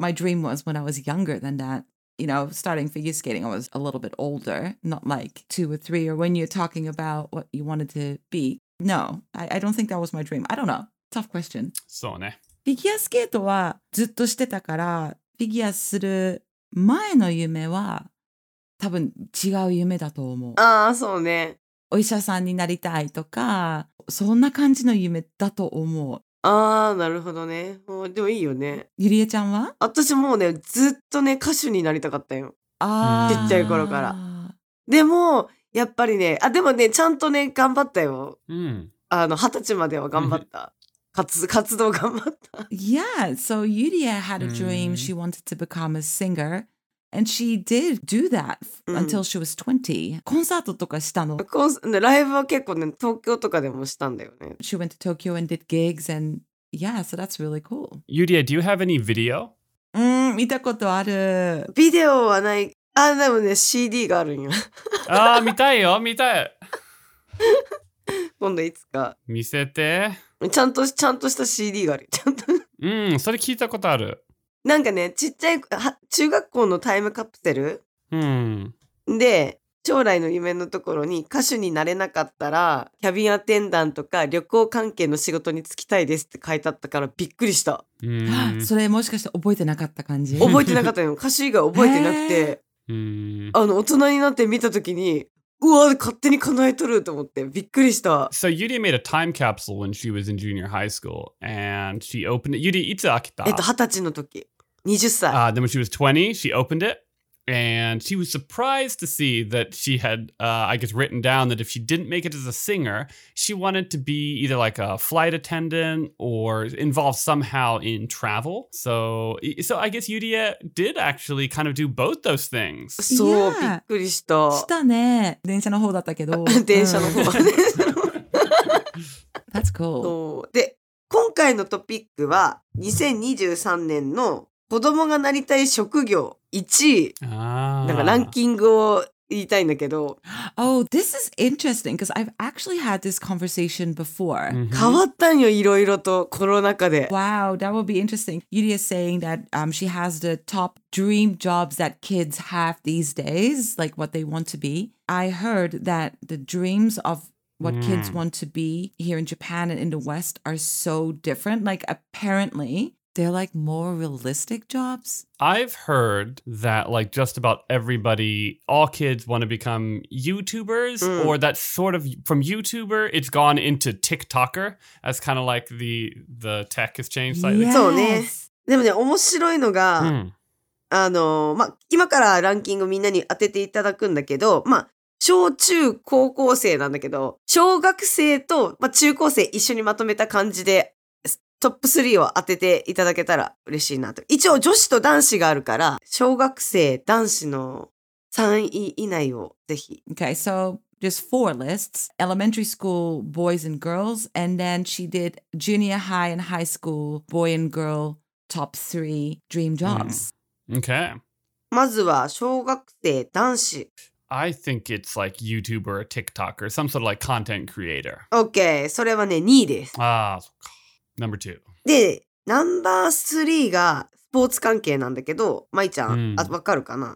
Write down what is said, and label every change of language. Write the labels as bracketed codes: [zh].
[en] my dream was when I was younger than that, you know, starting figure skating, I was a little bit older, not like 2 or 3, or when you're talking about what you wanted to be. No, I don't think that was my dream. I don't know. Tough question. [ja] そうね。フィギュアスケートはずっとしてたから、フィギュアする前の夢は多分違う夢だと思う。ああ、そうね。お医者さんになりたいとか、そんな感じの夢だと思う。ああ、なるほどね。もうでもいいよね。ゆりえちゃんは？私もうね、ずっとね、歌手になりたかったよ。ああ。ちっちゃい頃から。でも、やっぱりね、あ、でもね、ちゃんとね、頑張ったよ。うん。二十歳までは頑張った。活動頑張った。 [en] Yeah, so Yuria had a dream. She wanted to become a singer. And she did do that until she was 20. [ja] コンサートとかしたの? ライブは結構ね、東京とかでもしたんだよね。 [en] She went to Tokyo and did gigs and yeah, so that's really cool. Yuria, do you have any video? [ja] 見たことある。ビデオはない。あ、でもね、CD があるんよ。あ、見たいよ、見たい。今度いつか見せて。ちゃんとした CD がある。ちゃんとうん、それ聞いたことある。なんかね、ちっちゃい中学校のタイムカプセル、うん、で将来の夢のところに、歌手になれなかったらキャビンアテンダントか旅行関係の仕事に就きたいですって書いてあったからびっくりした。うん、それもしかして覚えてなかった感じ。覚えてなかったよ。歌手以外覚えてなくて、あの大人になって見た時に、うわ勝手に叶えとると思ってびっくりした。 [en] So Yuri made a time capsule when she was in junior high school and she opened it. [ja] Yuri, いつ開けた？ 20歳の時。20歳。 [en] Then when she was 20, she opened itAnd she was surprised to see that she had, I guess, written down that if she didn't make it as a singer, she wanted to be either like a flight attendant or involved somehow in travel. So I guess Yuria did actually kind of do both those things. [ja] そう、びっくりした。したね。電車の方だったけど。電車の方。 [en] That's cool. [ja] そう。で、今回のトピックは2023年の子供がなりたい職業1位、なんかランキングを言いたいんだけど。 [en] Oh, this is interesting because I've actually had this conversation before. [ja] 変わったんよ、いろいろとコロナ禍で。 [en] Wow, that would be interesting. Yuri is saying that she has the top dream jobs that kids have these days, like what they want to be. I heard that the dreams of what kids want to be here in Japan and in the West are so different. Like, apparently... They're like more realistic jobs. I've heard that like just about everybody, all kids want to become YouTubers, or that sort of from YouTuber, it's gone into TikToker as kind of like the tech has changed slightly. Yes. [ja] そうね。でもね、面白いのが、あの、まあ、今からランキングみんなに当てていただくんだけど、まあ、小中高校生なんだけど、小学生と、まあ、中高生一緒にまとめた感じで、トップ3を当てていただけたら嬉しいなと。一応女子と男子があるから、小学生男子の3位以内をぜひ。 [en] Okay, so there's four lists: elementary school boys and girls, and then she did junior high and high school boy and girl top three dream jobs. Okay, [ja] まずは小学生男子。 [en] I think it's like YouTuber or TikTok or some sort of like content creator. Okay, [ja] それはね2位です。あー、そっか。 [en] Number two. [ja] で、ナンバースリーがスポーツ関係なんだけど、まいちゃん、わかるかな？